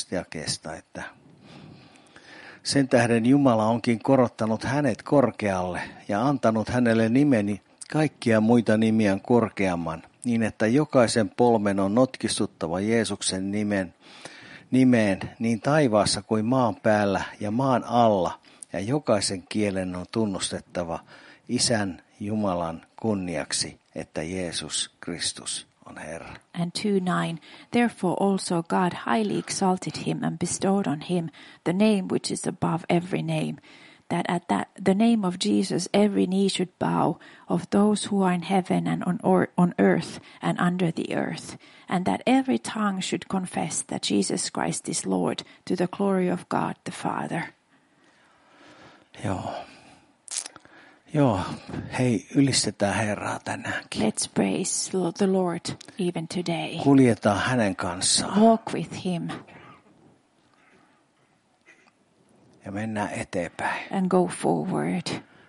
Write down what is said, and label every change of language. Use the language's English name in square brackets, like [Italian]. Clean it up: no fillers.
[Finnish] jakeesta, että sen tähden Jumala onkin korottanut hänet korkealle ja antanut hänelle nimeni kaikkia muita nimiä korkeamman, niin että jokaisen polmen on notkistuttava Jeesuksen nimeen niin taivaassa kuin maan päällä ja maan alla, ja jokaisen kielen on tunnustettava Isän Jumalan kunniaksi, että Jeesus Kristus on Herra. [English] And 2:9, therefore also God highly exalted him and bestowed on him the name which is above every name, that at that the name of Jesus every knee should bow, of those who are in heaven and on earth and under the earth, and that every tongue should confess that Jesus Christ is Lord, to the glory of God the Father. [Finnish] Joo, hei, ylistetään Herraa tänäänkin. [English] Let's praise the Lord even today. [Finnish] Kuljetaan hänen kanssaan. [English] Walk with him. [Finnish] Ja mennään eteenpäin. [English] And go forward.